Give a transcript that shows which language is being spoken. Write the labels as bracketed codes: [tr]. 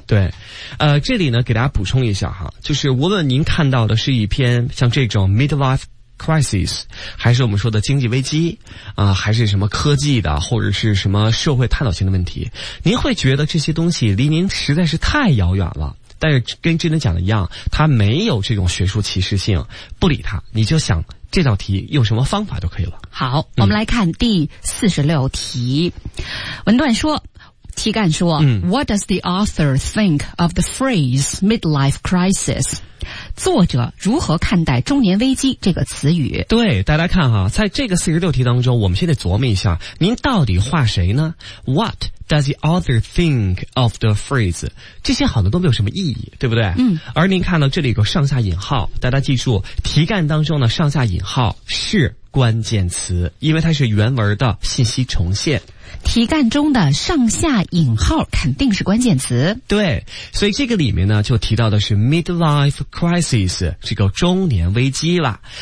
[zh] 对，这里呢给大家补充一下哈，就是无论您看到的是一篇像这种 midlife crisis， 还是我们说的经济危机啊、还是什么科技的，或者是什么社会探讨性的问题，您会觉得这些东西离您实在是太遥远了。但是跟之前讲的一样，它没有这种学术歧视性，不理它，你就想这道题用什么方法就可以了。好，我们来看第46题、嗯、文段说，题干说、嗯、 [en] What does the author think of the phrase midlife crisis？ [zh] 作者如何看待中年危机这个词语？对，大家看哈，在这个46题当中，我们先得琢磨一下，您到底画谁呢？ [en] What does the author think of the phrase？ [zh] 这些好像都没有什么意义，对不对？嗯。而您看到这里有个上下引号，大家记住，题干当中呢，上下引号是关键词，因为它是原文的信息重现。题干中的上下引号肯定是关键词。对，所以这个里面呢就提到的是 midlife crisis， 这个中年危机了。